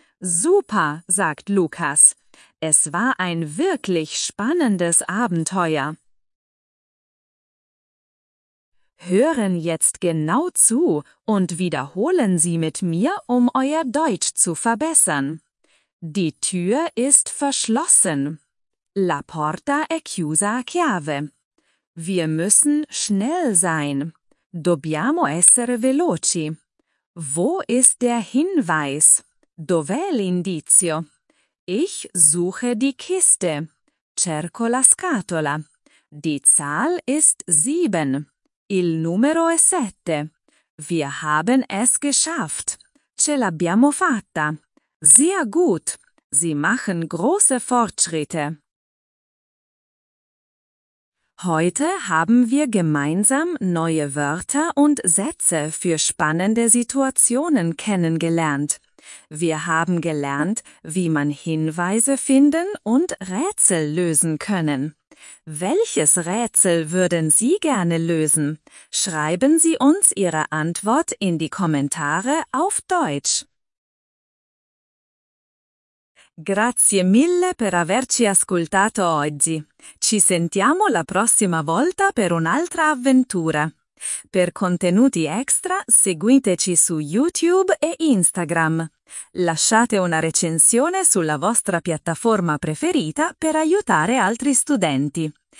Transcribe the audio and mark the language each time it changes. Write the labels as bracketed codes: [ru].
[de] Super, sagt Lukas. Es war ein wirklich spannendes Abenteuer. Hören jetzt genau zu und wiederholen Sie mit mir, um euer Deutsch zu verbessern. Die Tür ist verschlossen. [it] La porta è chiusa a chiave. [de] Wir müssen schnell sein. [it] Dobbiamo essere veloci. [de] Wo ist der Hinweis? [it] Dov'è l'indizio? [de] Ich suche die Kiste. [it] Cerco la scatola. [de] Die Zahl ist 7. [it] Il numero è 7. [de] Wir haben es geschafft. [it] Ce l'abbiamo fatta. [de] Sehr gut. Sie machen große Fortschritte. Heute haben wir gemeinsam neue Wörter und Sätze für spannende Situationen kennengelernt. Wir haben gelernt, wie man Hinweise finden und Rätsel lösen können. Welches Rätsel würden Sie gerne lösen? Schreiben Sie uns Ihre Antwort in die Kommentare auf Deutsch. [it] Grazie mille per averci ascoltato oggi. Ci sentiamo la prossima volta per un'altra avventura. Per contenuti extra, seguiteci su YouTube e Instagram. Lasciate una recensione sulla vostra piattaforma preferita per aiutare altri studenti.